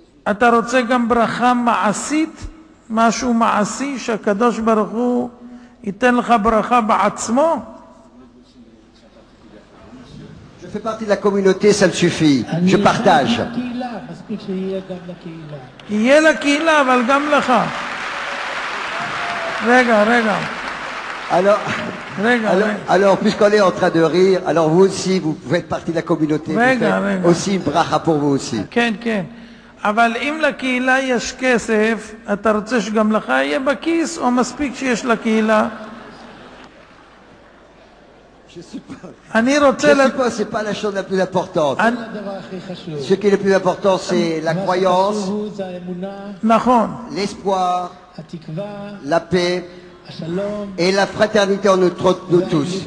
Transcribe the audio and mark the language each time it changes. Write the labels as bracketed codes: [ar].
[he] אתה רוצה גם ברכה מעשית, משהו מעשי שהקדוש ברוך הוא ייתן לך ברכה בעצמו? [fr] Je fais partie de la communauté, ça me suffit. Je partage. [he] יהיה לקהילה, אבל גם לך. רגע, רגע. [fr] Alors, puisqu'on est en train de rire, alors vous aussi, vous faites partie de la communauté. Vous faites aussi une bracha pour vous aussi. [he] כן, כן. אבל אם לקהילה יש כסף, אתה רוצה שגם לך יהיה בכיס, או מספיק שיש לקהילה? אני רוצה... [fr] Je sais pas, c'est pas la chose la plus importante. Ce qui est le plus important, c'est la croyance. [he] נכון. [fr] L'espoir. [he] התקווה. [fr] La paix. Et la fraternité en nous tous.